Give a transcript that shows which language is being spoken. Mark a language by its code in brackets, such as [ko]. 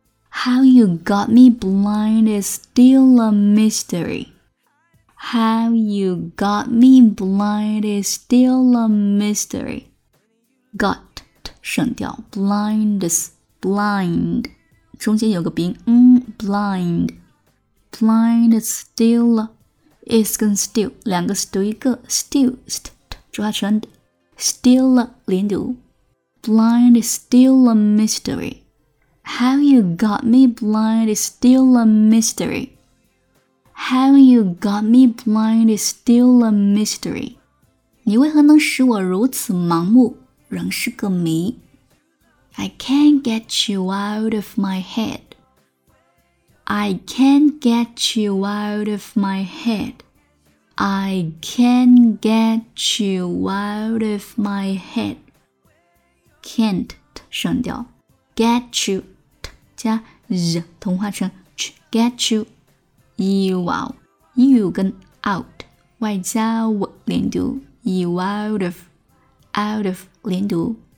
[en] How you got me blind is still a mystery. How you got me blind is still a mystery. Got [zh] 省掉 [en] blind is blind. [zh] 中间有个鼻音， [en] blind still is [zh] 跟 still 两个 still 一个 still抓成 still 连读。 [en] Blind is still a mystery. How you got me blind is still a mystery. How you got me blind is still a mystery. [zh] 你为何能使我如此盲目，仍是个谜。 [en] I can't get you out of my head. I can't get you out of my head. I can't get you out of my head. Can't [zh] 省掉 [en] get you 加 z [zh] 同化成 [en] ch, get you you out you 跟 out [zh] 外加 [en] w 连读 you out of 连读。